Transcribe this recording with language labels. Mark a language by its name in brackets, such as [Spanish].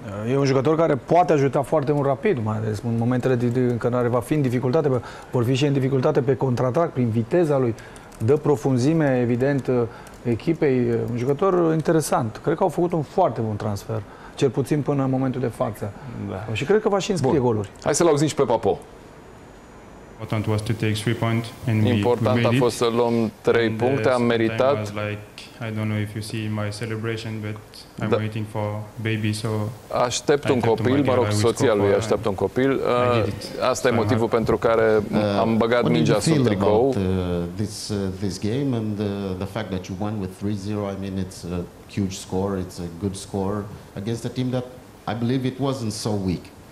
[Romanian] E un jucător care poate ajuta foarte mult Rapid, mai ales în momentele în care va fi în dificultate, vor fi și în dificultate pe contraatac, prin viteza lui, dă profunzime, evident, echipei. Un jucător interesant. Cred că au făcut un foarte bun transfer, cel puțin până în momentul de față. Da. Și cred că va și înscrie goluri. Hai să-l auzim și pe Papo. [English] Important was to take 3 points and [Romanian] important a fost să luăm 3 puncte, am meritat. [English] I don't know if you see my celebration, but I'm waiting for baby, so [Romanian] aștept un copil, mă rog, soția lui așteaptă un copil. Asta e motivul pentru care am băgat mingea sub tricou. [English] This game and the fact that you won with 3-0, I mean it's a huge score, it's a good score against a team that I believe it wasn't so weak.